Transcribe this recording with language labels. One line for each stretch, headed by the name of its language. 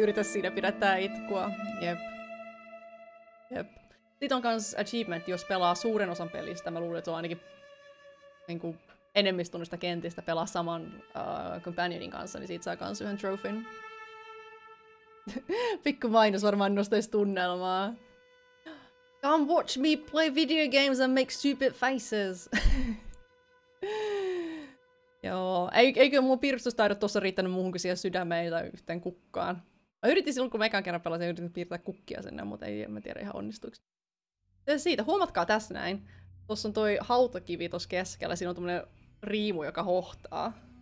Finnish: Yritä siinä pidättää itkua. Jep. Sit on kans achievement, jos pelaa suuren osan pelistä. Mä luulen, että se on ainakin niinku enemmistunnista kentistä pelaa saman companionin kanssa, niin siitä saa kans yhden trofin. Pikku mainos varmaan nostais tunnelmaa.
English: Come watch me play video games and make stupid faces!
Finnish: Joo, eikö mun piirustustaidot tossa riittänyt muuhun kuin siihen sydämeen tai yhteen kukkaan. Mä yritin silloin, kun mä ekan kerran pelasin, yritin piirtää kukkia sinne, mutta ei en mä tiedä ihan onnistuiko. Ja siitä, huomatkaa tässä näin. Tossa on toi hautakivi tossa keskellä, siinä on tommonen riimu, joka hohtaa.